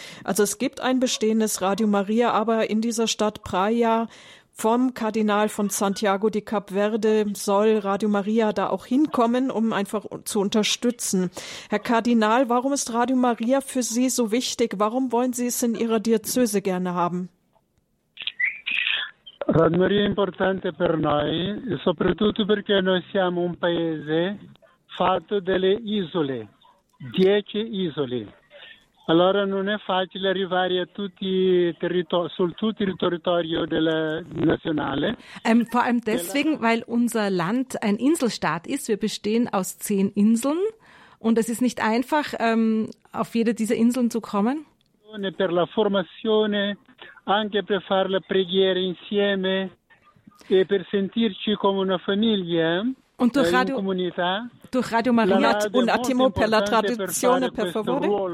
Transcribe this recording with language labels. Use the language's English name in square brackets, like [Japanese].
[German] Also es gibt ein bestehendes Radio Maria, aber in dieser Stadt Praia vom Kardinal von Santiago de Cap Verde soll Radio Maria da auch hinkommen, um einfach zu unterstützen. Herr Kardinal, warum ist Radio Maria für Sie so wichtig? Warum wollen Sie es in Ihrer Diözese gerne haben? [Italian] Radio Maria è importante per noi, soprattutto perché noi siamo un paese fatto delle isole, 10 isole. Allora non è facile arrivare a tutti sul territorio della nazionale. [German] Vor allem deswegen, weil unser Land ein Inselstaat ist. Wir bestehen aus 10 Inseln und es ist nicht einfach, auf jede dieser Inseln zu kommen. [Italian] Per la formazione, anche per fare la preghiera insieme e per sentirci come una famiglia. [German] Und durch Radio, Maria, [Italian] un attimo, per la traduzione, per favore.